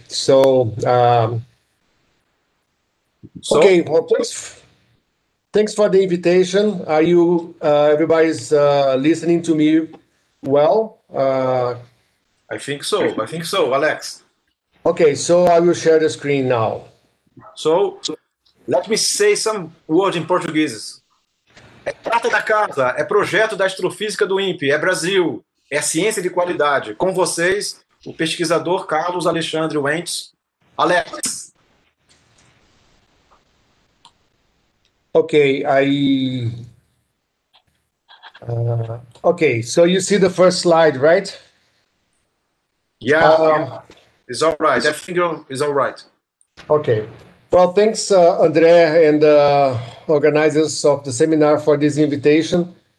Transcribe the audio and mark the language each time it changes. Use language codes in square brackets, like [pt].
[en] So, okay, well, thanks for the invitation. Are you, everybody's listening to me? Well, I think so, Alex. Okay, so I will share the screen now. So let me say some words in Portuguese. [pt] É prata da casa, é projeto da astrofísica do INPE, é Brasil, é ciência de qualidade. Com vocês, o pesquisador Carlos Alexandre Wentz. Alex. [en] Okay, okay, so you see the first slide, right? Yeah, it's all right. I think it's all right. Okay. Well, thanks, André, and the organizers of the seminar for this invitation.